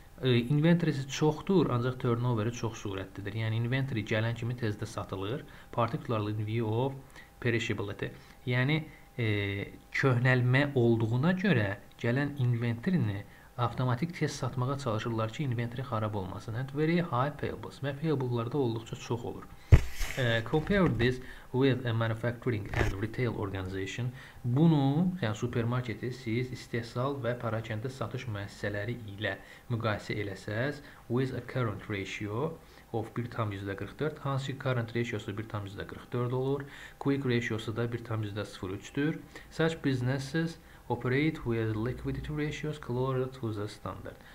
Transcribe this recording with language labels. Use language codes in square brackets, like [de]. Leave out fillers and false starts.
[az] Inventories çoxdur, ancaq turnoveri çox sürətlidir. Yəni inventory gələn kimi tezdə satılır. [en] Particularly in view of perishability. [az] Yəni köhnəlmə olduğuna görə gələn inventory-ni avtomatik tez satmağa çalışırlar ki, inventory xarab olmasın. [en] And very high payables. [az] Və payable-larda olduqca çox olur. [en] Compare this with a manufacturing and retail organization. [az] Bunu, yəni supermarketi siz istehsal və parakəndə satış müəssisələri ilə müqayisə eləsəz, [en] with a current ratio of 1:44, [az] hansı ki current ratiosu 1:44 olur, quick ratiosu da 1:03-dür. [en] Such businesses operate with liquidity ratios closer to the standard.